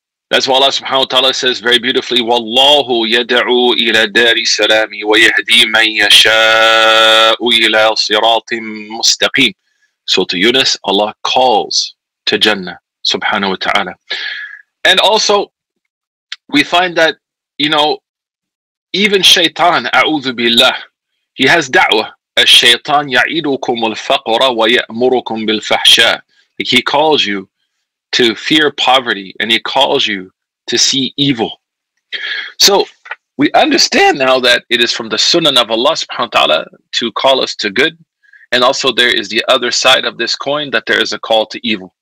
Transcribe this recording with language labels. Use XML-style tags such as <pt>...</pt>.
<en>That's why Allah subhanahu wa ta'ala says very beautifully,</en> <ar>وَاللَّهُ يَدَعُوا إِلَى دَارِ سَلَامِ وَيَهْدِي مَنْ يَشَاءُ إِلَى صِرَاطٍ مُسْتَقِيمٍ.</ar> <en>So to Yunus, Allah calls to Jannah subhanahu wa ta'ala. And also, we find that, you know, even shaitan, a'udhu billah, he has da'wah.</en> <ar>الشيطان يعيدكم الفقر ويأمركم بالفحشاء.</ar> <en>He calls you to fear poverty and he calls you to see evil. So we understand now that it is from the sunnah of Allah subhanahu wa ta'ala to call us to good. And also there is the other side of this coin, that there is a call to evil.</en>